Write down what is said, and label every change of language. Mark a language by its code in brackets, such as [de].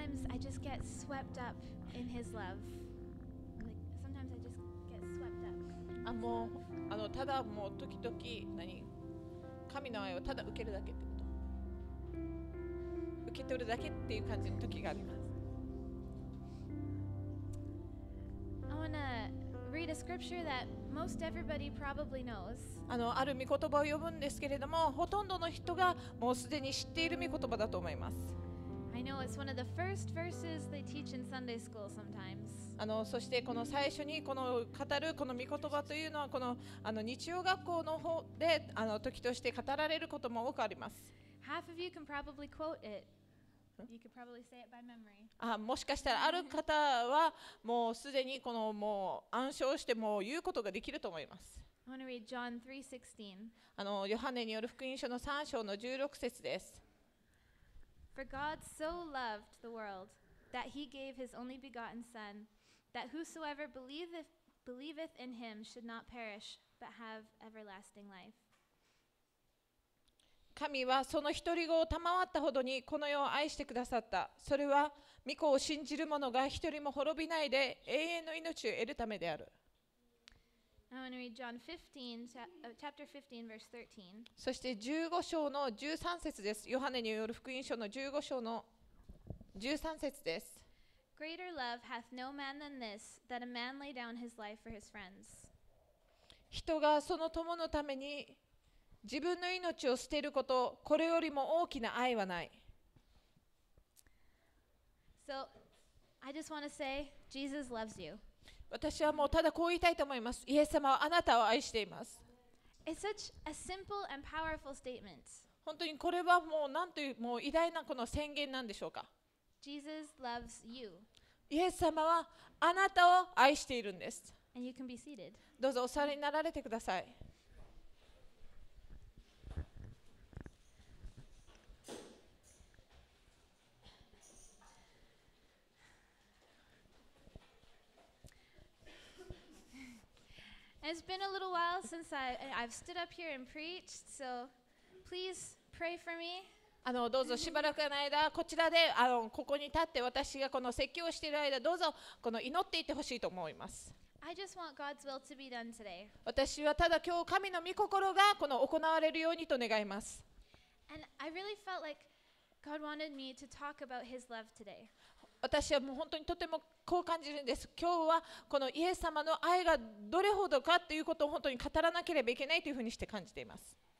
[en] I just get swept up in His love. Like, sometimes I just get swept up. [ja] ただもう時々何神の愛をただ受けるだけってこと、受け取るだけっていう感じの時があります。 [en] I wanna read a scripture that most everybody probably knows. [ja] ある御言葉を読むんですけれども、ほとんどの人がもうすでに知っている御言葉だと思います。 [en] I know it's one of the first verses they teach in Sunday school sometimes. [ja] そしてこの最初にこの語るこの御言葉というのはこの日曜学校の方で時として語られることも多くあります。 [en] Half of you can probably quote it. You could probably say it by memory. [ja] もしかしたらある方はもうすでにこのもう暗唱してもう言うことができると思います。 [en] I want to read John 3:16. [ja] ヨハネによる福音書の3章の16節です。 [en] For God so loved the world that He gave His only begotten Son, that whosoever believeth in Him should not perish, but have everlasting life. [ja] 神はその一人子を賜ったほどにこの世を愛してくださった。それは御子を信じる者が一人も滅びないで永遠の命を得るためである。 [en] I want to read John 15, chapter 15, verse 13. [ja] そして15章の13節です。ヨハネによる福音書の15章の13節です。 [en] Greater love hath no man than this, that a man lay down his life for his friends. [ja] 人がその友のために自分の命を捨てること、これよりも大きな愛はない。 [en] So, I just want to say, Jesus loves you. [ja] 私はもうただこう言いたいと思います。イエス様はあなたを愛しています。 [en] It's such a simple and powerful statement. [ja] 本当にこれはもうなんというもう偉大なこの宣言なんでしょうか。 [en] Jesus loves you. [ja] イエス様はあなたを愛しているんです。 [en] And you can be seated. [ja] どうぞお座りになられてください。 [en] It's been a little while since I've stood up here and preached, so please pray for me. [ja] どうぞしばらくの間こちらでここに立って私がこの説教をしている間どうぞこの祈っていてほしいと思います。 [en] I just want God's will to be done today. [ja] 私はただ今日神の御心がこの行われるようにと願います。 [en] And I really felt like God wanted me to talk about His love today. [ja] 私はもう本当にとてもこう感じるんです。今日はこのイエス様の愛がどれほどかということを本当に語らなければいけないというふうにして感じています。